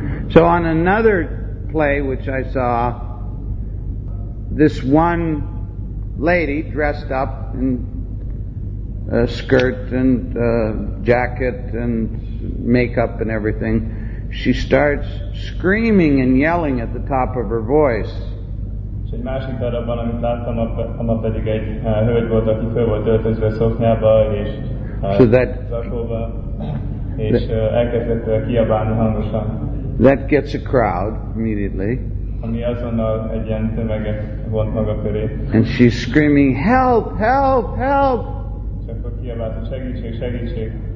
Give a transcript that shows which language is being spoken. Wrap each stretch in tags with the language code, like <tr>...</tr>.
<en>So on another play which I saw, this one lady dressed up in a skirt and a jacket and makeup and everything, she starts screaming and yelling at the top of her voice.</en> <hu>Egy másik darabban, amit láttam, annak pedig egy hölgy volt, aki föl volt öltözve szoknyába és zakóba, és elkezdett kiabálni hangosan.</hu> <en>That gets a crowd immediately.</en> <hu>Ami azonnal egy ilyen tömeget vont maga köré.</hu> <en>And she's screaming, help, help, help!</en> <hu>És akkor kiabálta, segítség, segítség.</hu>